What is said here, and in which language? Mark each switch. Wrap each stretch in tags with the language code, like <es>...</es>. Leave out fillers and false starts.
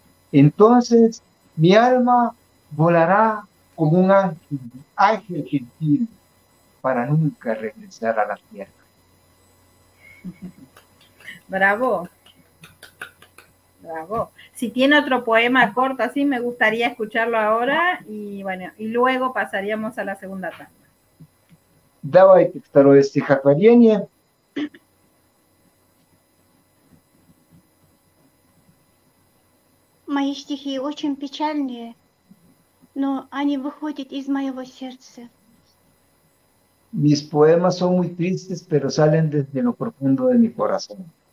<es>Entonces mi alma volará como un ángel gentil para nunca regresar a la tierra. Bravo, bravo. Si tiene otro poema corto así, me gustaría escucharlo ahora y bueno, y luego pasaríamos a la segunda tanda.</es> <ru>Давайте второе стихотворение. Мои стихи очень печальные, но они выходят из моего сердца.</ru> <es>Mis poemas son muy tristes, pero salen desde lo profundo de mi corazón.</es>